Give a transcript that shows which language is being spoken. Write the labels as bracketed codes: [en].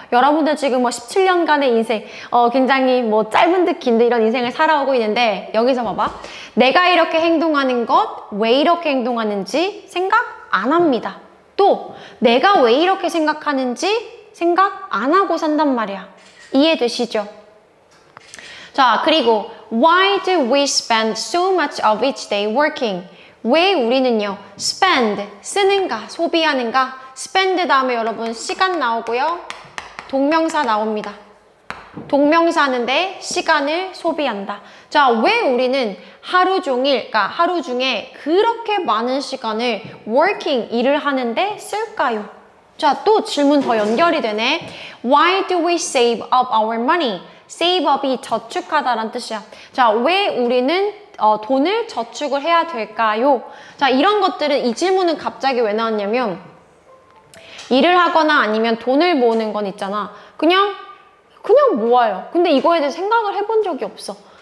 [ko] 여러분들 지금 뭐 17년간의 인생 굉장히 뭐 짧은 듯 긴데 이런 인생을 살아오고 있는데 여기서 봐봐. 내가 이렇게 행동하는 것, 왜 이렇게 행동하는지 생각 안 합니다. 또 내가 왜 이렇게 생각하는지 생각 안 하고 산단 말이야. 이해되시죠? 자, 그리고 [en] Why do we spend so much of each day working? [ko] 왜 우리는요? spend, 쓰는가, 소비하는가? spend 다음에 여러분 시간 나오고요. 동명사 나옵니다. 동명사인데 시간을 소비한다. 자, 왜 우리는 하루 종일, 그러니까 하루 중에 그렇게 많은 시간을 working, 일을 하는데 쓸까요? 자, 또 질문 더 연결이 되네. [en] Why do we save up our money? [ko] save up이 저축하다 라는 뜻이야. 자, 왜 우리는 돈을 저축을 해야 될까요? 자, 이런 것들은 이 질문은 갑자기 왜 나왔냐면 일을 하거나 아니면 돈을 모으는 건 있잖아. 그냥 모아요. 근데 이거에 대해 생각을 해본 적이 없어.